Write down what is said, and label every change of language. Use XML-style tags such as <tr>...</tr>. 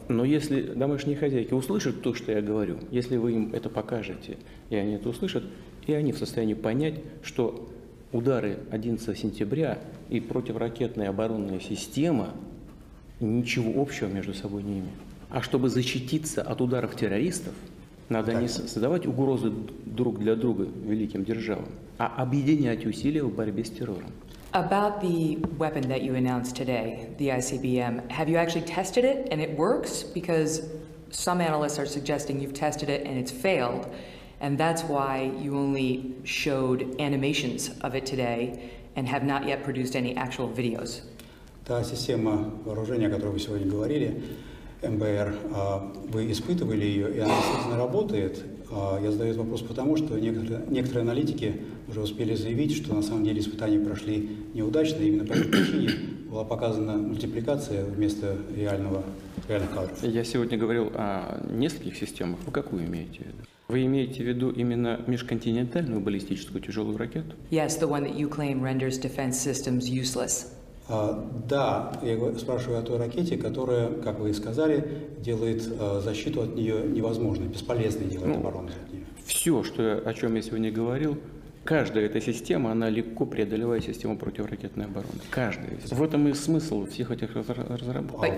<ru>Но если домашние хозяйки услышат то, что я говорю, если вы им это покажете, и они это услышат, и они в состоянии понять, что удары 11 сентября и противоракетная оборонная система ничего общего между собой не имеют. А чтобы защититься от ударов террористов, надо не создавать угрозы друг для друга великим державам, а объединять усилия в борьбе с террором.</ru> <en>About the weapon that you announced today, the ICBM, have you actually tested it and it works? Because some analysts are suggesting you've tested it and it's failed, and that's why you only showed animations of it today and have not yet produced any actual videos.</en> <ru>Та система вооружения, о которой вы сегодня говорили, МБР, вы испытывали ее, и она действительно работает. Я задаю этот вопрос потому, что некоторые аналитики уже успели заявить, что на самом деле испытания прошли неудачно, именно по этой причине была показана мультипликация вместо реальных кадров. Я сегодня говорил о нескольких системах. Вы какую имеете в виду? Вы имеете в виду именно межконтинентальную баллистическую тяжелую ракету?</ru> <en>Yes, the one that you claim renders defense systems useless.</en> <ru>Да, я спрашиваю о той ракете, которая, как вы и сказали, делает защиту от нее невозможной, бесполезной делает оборону от нее. Все, что, о чем я сегодня говорил, каждая эта система, она легко преодолевает систему противоракетной обороны. Каждая. В этом и смысл всех этих разработок.</ru>